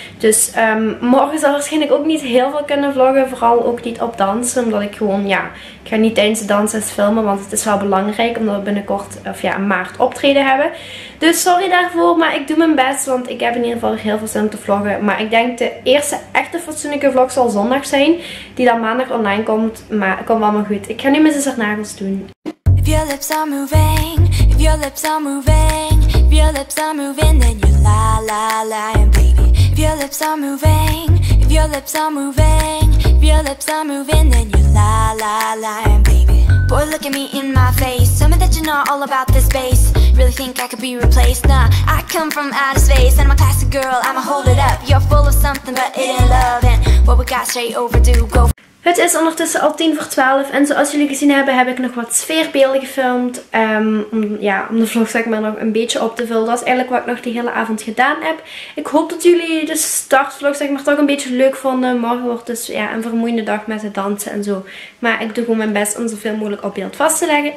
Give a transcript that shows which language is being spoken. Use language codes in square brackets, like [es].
[nl] Dus morgen zal waarschijnlijk ook niet heel veel kunnen vloggen, vooral ook niet op dansen, omdat ik gewoon, ja, ik ga niet tijdens de dansles filmen, want het is wel belangrijk omdat we binnenkort, of ja, maart optreden hebben. Dus sorry daarvoor, maar ik doe mijn best, want ik heb in ieder geval heel veel zin om te vloggen. Maar ik denk de eerste echte fatsoenlijke vlog zal zondag zijn, die dan maandag online komt. Maar het komt allemaal goed. Ik ga nu mijn zus haar nagels doen. [en] If your lips are moving, if your lips are moving, if your lips are moving, then you la la la and baby. If your lips are moving, if your lips are moving, if your lips are moving, then you la la la and baby. Boy, look at me in my face, tell me that you're not all about this bass. Really think I could be replaced, nah, I come from outer space. And I'm a classic girl, I'ma hold it up, you're full of something but in love. And what we got straight overdue, go. [nl] Het is ondertussen al 11:50 en zoals jullie gezien hebben, heb ik nog wat sfeerbeelden gefilmd. Om de vlog, zeg maar, nog een beetje op te vullen. Dat is eigenlijk wat ik nog de hele avond gedaan heb. Ik hoop dat jullie de startvlog, zeg maar, toch een beetje leuk vonden. Morgen wordt dus, ja, een vermoeiende dag met het dansen en zo. Maar ik doe gewoon mijn best om zoveel mogelijk op beeld vast te leggen.